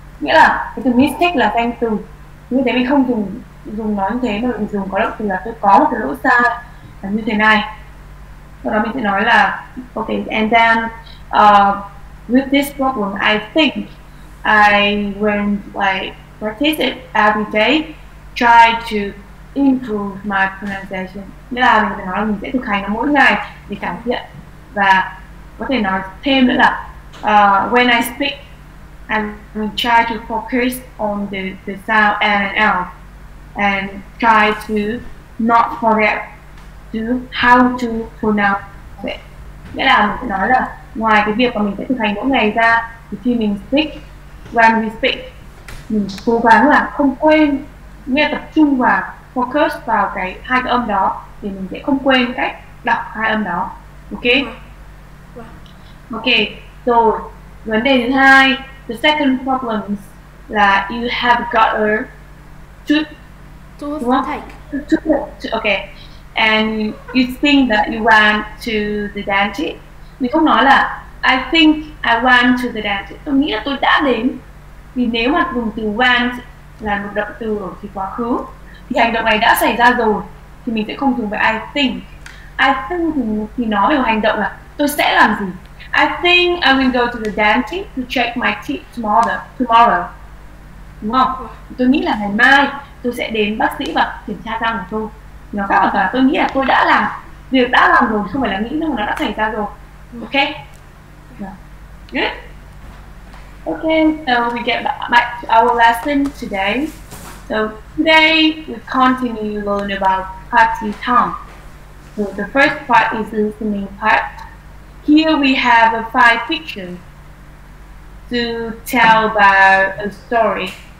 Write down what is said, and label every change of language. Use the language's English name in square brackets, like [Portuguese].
[Vietnamese] Nghĩa là cái từ mistake là danh từ, như thế mình không dùng nói như thế, mà mình dùng có động từ là tôi có một cái lỗ sai là như thế này. Sau đó mình sẽ nói là [English] okay, and then with this problem, I think I went like practice it every day, try to improve my pronunciation. [Vietnamese] Nghĩa là mình sẽ nói là mình sẽ thực hành nó mỗi ngày để cải thiện, và có thể nói thêm nữa là [English] when I speak, I try to focus on the sound N and L, and try to not forget to how to pronounce it. [Vietnamese] Nghĩa là mình sẽ nói là ngoài cái việc mà mình sẽ thực hành mỗi ngày ra, thì khi mình speak, [English] when we speak, [Vietnamese] mình cố gắng là không quên nghe tập trung và focus vào cái hai cái âm đó thì mình sẽ không quên cách đọc hai âm đó. Ok. [English] Ok, [Vietnamese] rồi vấn đề thứ hai, [English] the second problem là you have got a toothache. Ok, and you think that you want to the dentist. [Vietnamese] Mình không nói là [English] I think I want to the dentist. [Vietnamese] Tôi nghĩ là tôi đã đến. Vì nếu mà dùng từ want là một động từ ở thì quá khứ thì hành động này đã xảy ra rồi thì mình sẽ không dùng với I think. [English] I think [Vietnamese] thì nói về hành động là tôi sẽ làm gì. [English] I think I will go to the dentist to check my teeth tomorrow. [Vietnamese] Đúng không? Tôi nghĩ là ngày mai tôi sẽ đến bác sĩ và kiểm tra răng của tôi. Nó khác hoàn toàn. Tôi nghĩ là tôi đã làm việc đã làm rồi, không phải là nghĩ nữa mà nó đã xảy ra rồi. [English] Ok. Ok, so we get back to our lesson today. So today we continue learn about party tongue. So the first part is listening part. Here we have a five pictures to tell about a story.